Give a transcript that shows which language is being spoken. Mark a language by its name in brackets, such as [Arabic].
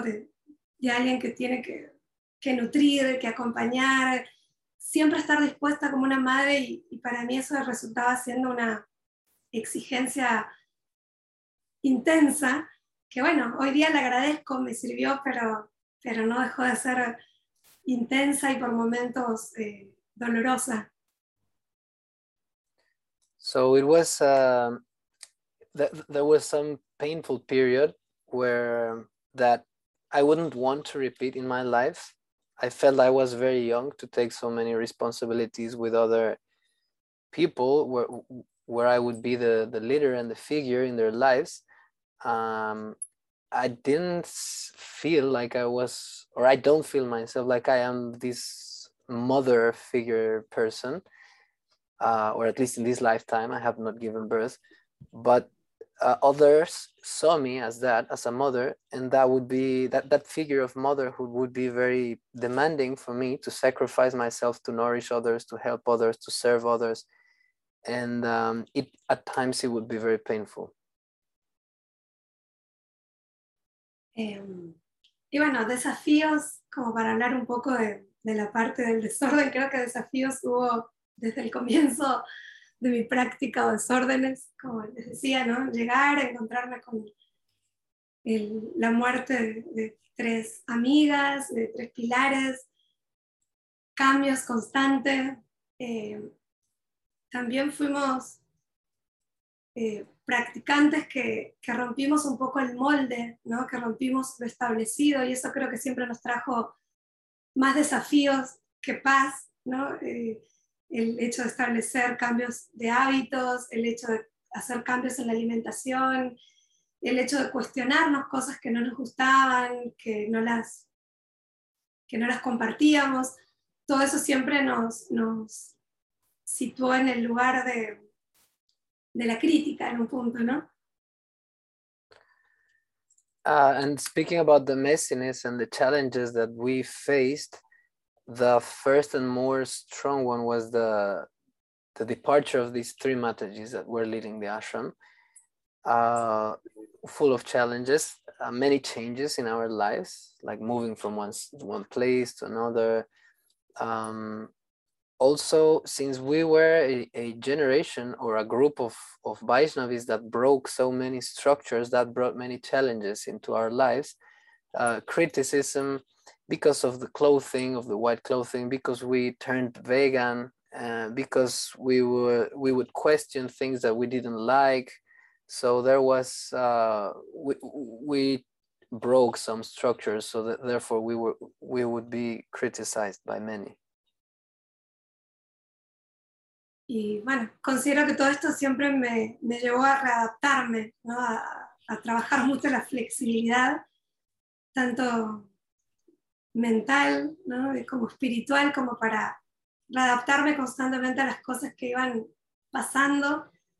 [Spanish] De alguien que tiene que nutrir, que acompañar, siempre estar dispuesta como una madre, y para mí eso resultaba siendo una exigencia intensa, que bueno, hoy día la agradezco, me sirvió, pero no dejó de ser intensa y por momentos dolorosa. [English] So it was there was some painful period where that I wouldn't want to repeat in my life. I felt I was very young to take so many responsibilities with other people where I would be the leader and the figure in their lives. I didn't feel like I was, or I don't feel myself like I am this mother figure person, or at least in this lifetime, I have not given birth, but others saw me as that, as a mother, and that would be that figure of motherhood would be very demanding for me to sacrifice myself, to nourish others, to help others, to serve others, and at times it would be very painful. [Spanish] Y bueno, desafíos, como para hablar un poco de la parte del desorden, creo que desafíos hubo desde el comienzo de mi práctica o desórdenes, como les decía, ¿no? Llegar a encontrarme con la muerte de tres amigas, de tres pilares, cambios constantes. También fuimos practicantes que rompimos un poco el molde, ¿no? Que rompimos lo establecido, y eso creo que siempre nos trajo más desafíos que paz, ¿no? El hecho de establecer cambios de hábitos, el hecho de hacer cambios en la alimentación, el hecho de cuestionarnos cosas que no nos gustaban, que no las compartíamos, todo eso siempre nos situó en el lugar de la crítica en un punto, ¿no? [English] And speaking about the messiness and the challenges that we faced, the first and more strong one was the departure of these three Matajis that were leading the ashram, full of challenges, many changes in our lives, like moving from one place to another. Also, since we were a generation or a group of Vaishnavis that broke so many structures, that brought many challenges into our lives, criticism, because of the clothing, of the white clothing, because we turned vegan, because we would question things that we didn't like. So there was, we broke some structures, so that therefore we would be criticized by many. [Spanish] Y bueno, considero que todo esto siempre me llevó a readaptarme, ¿no? A trabajar mucho la flexibilidad, tanto mental, ¿no? Como espiritual, como para readaptarme constantemente a las cosas que iban pasando.